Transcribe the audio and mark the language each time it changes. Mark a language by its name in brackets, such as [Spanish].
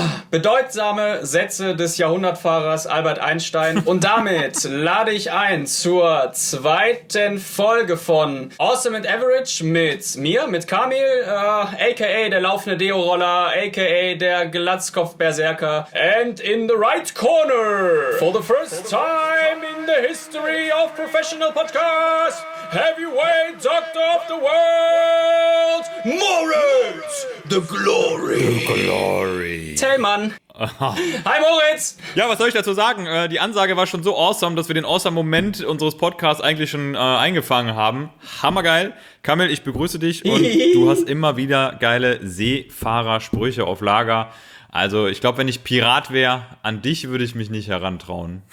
[German] Bedeutsame Sätze des Jahrhundertfahrers Albert Einstein. Und damit lade ich ein zur zweiten Folge von Awesome and Average mit mir, mit Kamil, aka der laufende Deo-Roller, aka der Glatzkopf-Berserker. [English] And in the right corner, for the first time in the history of professional podcasts, heavyweight doctor of the world, Moritz, the glory. [German] Tellmann. Aha. Hi Moritz! Ja, was soll ich dazu sagen? Die Ansage war schon so awesome, dass wir den awesome Moment unseres Podcasts eigentlich schon eingefangen haben. Hammergeil. Kamil, ich begrüße dich und du hast immer wieder geile Seefahrersprüche auf Lager. Also ich glaube, wenn ich Pirat wäre, an dich würde ich mich nicht herantrauen.